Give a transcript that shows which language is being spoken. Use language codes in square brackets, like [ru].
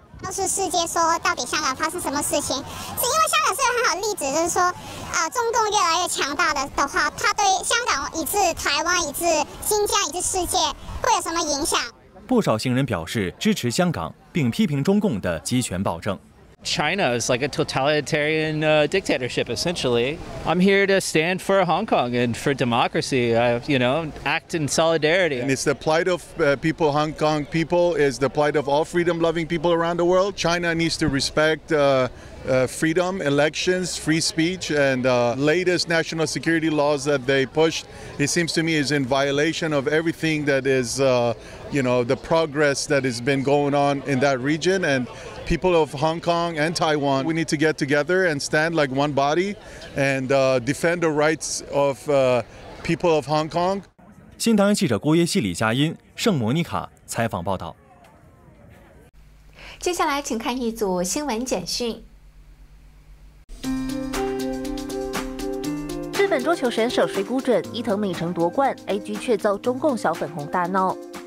[zh] 告诉世界说，到底香港发生什么事情？是因为香港是个很好的例子，就是说，中共越来越强大的话，他对香港以至台湾以至新疆以至世界会有什么影响？不少行人表示支持香港，并批评中共的集权暴政。 [en] China is like a totalitarian dictatorship, essentially. I'm here to stand for Hong Kong and for democracy. Act in solidarity. And it's the plight of people, Hong Kong people, is the plight of all freedom-loving people around the world. China needs to respect freedom, elections, free speech, and latest national security laws that they pushed. It seems to me is in violation of everything that is, the progress that has been going on in that region and. people of Hong Kong and Taiwan, we need to get together and stand like one body and defend the rights of people of Hong Kong. [zh] 新唐人记者郭约西、李佳音、圣摩尼卡采访报道。接下来请看一组新闻简讯。日本桌球选手水谷隼、伊藤美诚夺冠 ，AG 却遭中共小粉红大闹。